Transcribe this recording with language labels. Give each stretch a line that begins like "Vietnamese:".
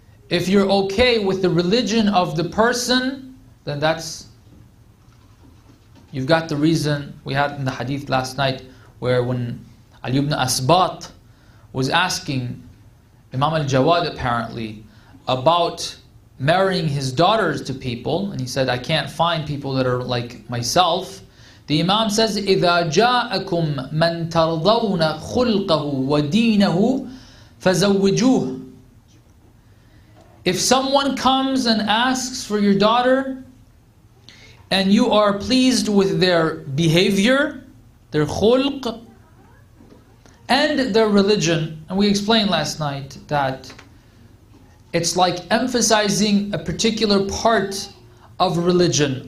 English: If you're okay with the religion of the person, then that's, you've got the reason we had in the hadith last night, where when Ali ibn Asbat was asking Imam al-Jawad apparently about marrying his daughters to people, and he said, I can't find people that are like myself. The Imam says,
Arabic: إِذَا جَاءَكُمْ مَنْ تَرْضَوْنَ خُلْقَهُ وَدِينَهُ فَزَوِّجُوهُ.
English: If someone comes and asks for your daughter, and you are pleased with their behavior, their khulq, and their religion, and we explained last night that it's like emphasizing a particular part of religion.